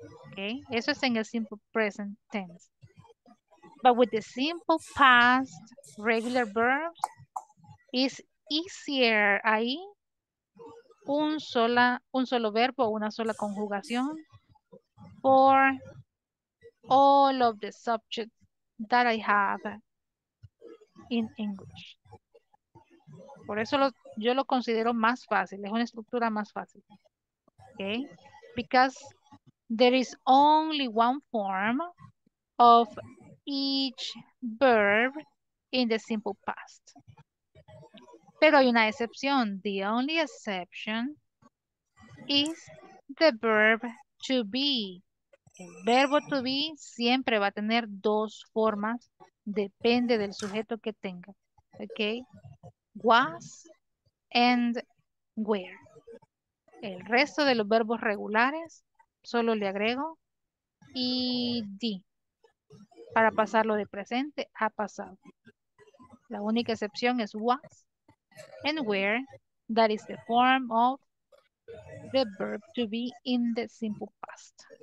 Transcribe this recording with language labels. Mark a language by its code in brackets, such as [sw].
[en] Okay? [es] Eso es en el [en] simple present tense. But with the simple past, regular verbs, it's easier [es] ahí un solo verbo, una sola conjugación [en] for all of the subjects that I have in English. [es] Por eso yo lo considero más fácil, es una estructura más fácil. [en] Okay? Because there is only one form of each verb in the simple past. [es] Pero hay una excepción. [en] The only exception is the verb to be. [es] El verbo to be siempre va a tener dos formas, depende del sujeto que tenga. Okay? [en] Was and were. [es] El resto de los verbos regulares solo le agrego ed para pasarlo de presente a pasado. La única excepción es was and were. [en] That is the form of the verb to be in the simple past.